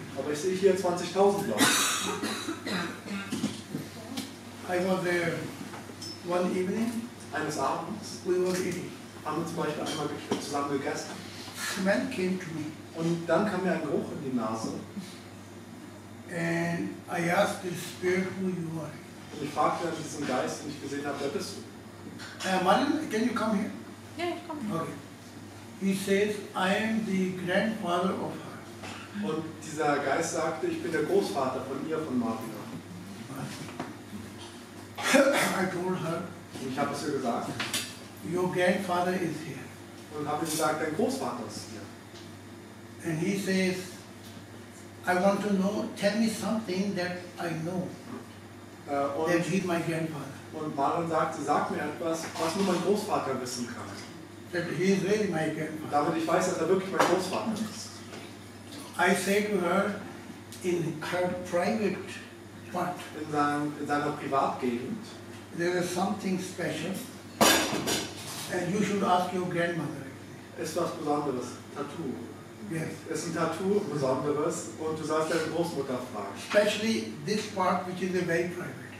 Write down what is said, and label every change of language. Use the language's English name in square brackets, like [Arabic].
[German] Aber ich sehe hier 20,000 Leute. [English] I was there one evening. [German] Eines Abends. [English] We were eating. [German] Haben wir zum Beispiel einmal zusammen gegessen. [English] The man came to me. [German] Und dann kam mir ein Geruch in die Nase. [English] And I asked the spirit who you are. [German] Und ich fragte dann diesen Geist, den ich gesehen habe, wer bist du? [English] Manuel, can you come here? Yeah, come here. Okay. He says, I am the grandfather of her. [German] Und dieser Geist sagte, ich bin der Großvater von ihr, von Martina. [English] I told her. [German] Und ich habe es ihr gesagt. [English] Your grandfather is here. [German] Und habe ihm gesagt, dein Großvater ist hier. [English] And he says, I want to know, tell me something that I know. [German] Und [English] he's my grandfather. [German] Und Marlon sagte, sag mir etwas, was nur mein Großvater wissen kann. [English] That he is really my grandfather. [German] Damit ich weiß, dass er wirklich mein Großvater ist. [English] I say to her, in her private part, [German] in seiner Privatgegend, [English] there is something special, and you should ask your grandmother. [German] Ist was Besonderes, Tattoo. [English] Yes. [German] Ist ein Tattoo Besonderes und du sollst deine Großmutter fragen. [English] Especially this part, which is a very private.